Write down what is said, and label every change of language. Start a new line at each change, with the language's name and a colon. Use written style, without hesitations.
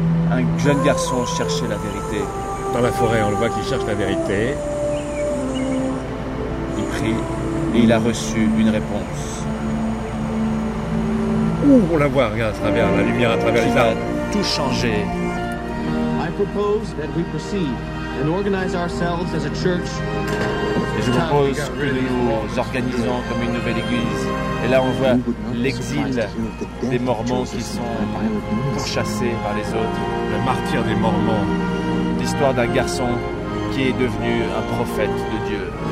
French: Un jeune garçon cherchait la vérité. Dans la forêt, on le voit qu'il cherche la vérité. Il prie et il a reçu une réponse. Ouh, on la voit, regarde, à travers la lumière, à travers les arbres. Tout changé.
English: I propose that we proceed and organize ourselves as a church.
French: Et je propose que nous organisons comme une nouvelle église. Et là, on voit l'exil des Mormons qui sont pourchassés par les autres. Le martyr des Mormons. L'histoire d'un garçon qui est devenu un prophète de Dieu.